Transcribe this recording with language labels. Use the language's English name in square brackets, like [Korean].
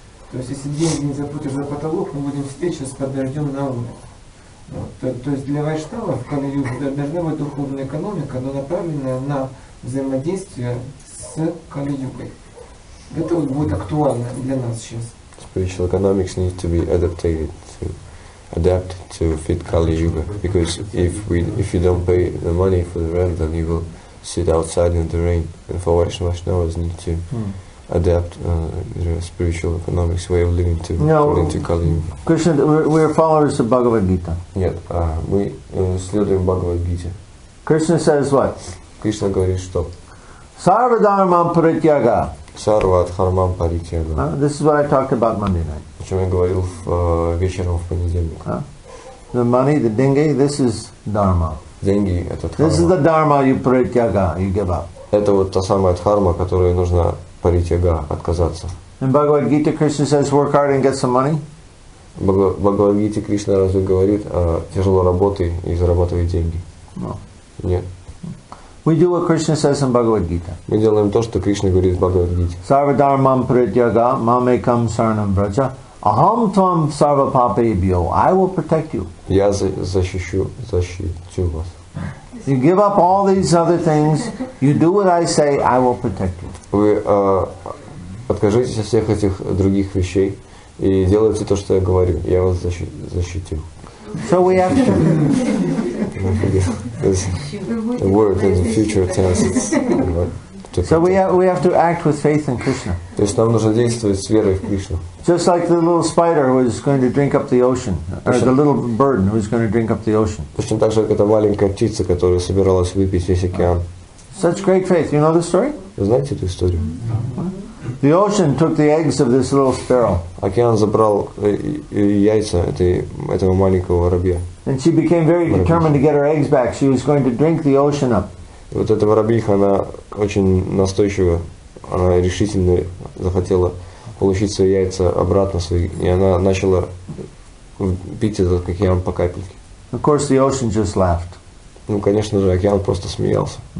[Russian] То есть если деньги не заплатят за потолок, мы будем сидеть сейчас подождем на Луне. Вот. То есть для вайшнава в Кали-юге должна быть духовная экономика, но направленная на взаимодействие с Кали-югой. Это вот будет актуально для нас сейчас. [English] Spiritual economics needs to be adapted to. Adapt to fit Kali Yuga, because if you don't pay the money for the rent, then you will sit outside in the rain. And for Vaishnavas need to adapt their spiritual economics way of living to according to Kali Yuga. Krishna, we are followers of Bhagavad Gita. Yeah, we [Russian] следуем [English] Bhagavad Gita. Krishna says what? [Russian] Krishna говорит что? [Sanskrit] Sarva dharmam parityaga. Sarva dharmam parityaga. [English] This is what I talked about Monday night. [Russian] О чем я говорил вечером в понедельник. [English] The money, the dengue, this is dharma. [Russian] Деньги – это [Sanskrit] dharma. [English] This is the dharma you paritya, you give up. [Russian] Это вот та самая дхарма, которую нужно паритяга отказаться. [English] In Bhagavad Gita, Krishna says, work hard and get some money. [Russian] В Bhagavad Gita Krishna разве говорит, тяжело работай и зарабатывай деньги? [English] No. [Russian] Нет. [English] We do what Krishna says in Bhagavad Gita. [Russian] Мы делаем то, что Кришна говорит в Бхагавад Гите. [Sanskrit] Sarva dharmam prityaga, mam ekam saranam vraja. Aham tvam sarva papebhyo. [English] I will protect you. [Russian] Я защищу вас. [English] You give up all these other things. You do what I say. I will protect you. [Russian] Вы откажитесь от всех этих других вещей и делайте то, что я говорю. Я вас защитю. [English] So we have to. The word in the future tense. So we have to act with faith in Krishna. [Russian] То есть нам нужно действовать с верой в Кришну. [English] Just like the little spider who is going to drink up the ocean, or the little bird who is going to drink up the ocean. [Russian] Точно так же, как эта маленькая птица, которая собиралась выпить весь океан. [English] Such great faith. You know the story? [Russian] Знаете эту историю? [English] The ocean took the eggs of this little sparrow. [Russian] Океан забрал яйца этого маленького воробья. [English] And she became very determined to get her eggs back. She was going to drink the ocean up. [Russian] Вот эта воробьиха, она очень настойчиво решительно захотела получить свои яйца обратно, свои, и она начала пить этот океан по капельке. [English] Of course, the ocean just laughed. [Russian] Ну, конечно же, океан просто смеялся.